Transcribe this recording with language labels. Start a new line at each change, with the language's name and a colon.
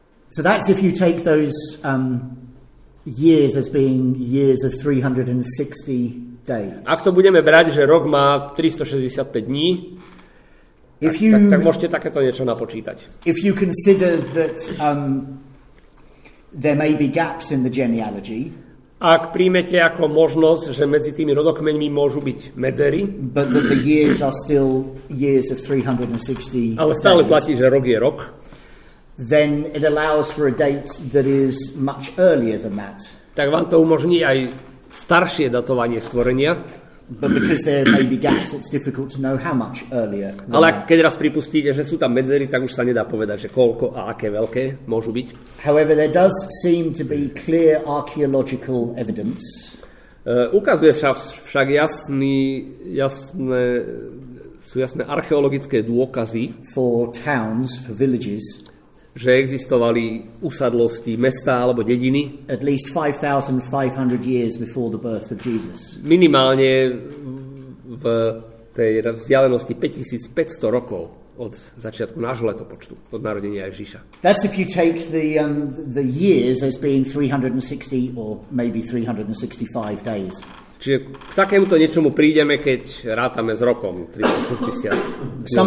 English: So that's if you take those years as being years of 360 days.
Slovak: Ak to budeme brať, že rok má 365 dní, tak môžete takéto niečo napočítať.
English: If you consider that there may be gaps in the genealogy,
Slovak: ak príjmete ako možnosť, že medzi tými rodokmeňmi môžu byť medzery,
English: but that the years are still years of 360 days,
Slovak: ale stále platí, že rok je rok,
English: then it allows for a date that is much earlier than that.
Slovak: Tak vám to umožní aj staršie datovanie stvorenia.
English: But because there may be gaps, it's difficult to know how much earlier.
Slovak: Ale keď raz pripustíte, že sú tam medzery, tak už sa nedá povedať, že koľko a aké veľké môžu byť.
English: However, there does seem to be clear archaeological evidence.
Slovak: Ukazuje však jasné archeologické dôkazy
English: for towns, for villages,
Slovak: že existovali usadlosti, mesta alebo dediny
English: at least 5500 years before the birth of Jesus.
Slovak: Minimálne v tej vzdialenosti 5500 rokov od začiatku nášho letopočtu, od narodenia Ježiša.
English: That's if you take the years as being 360 or maybe 365 days.
Slovak: Čiže k takémuto niečomu prídeme, keď rátame s rokom 365.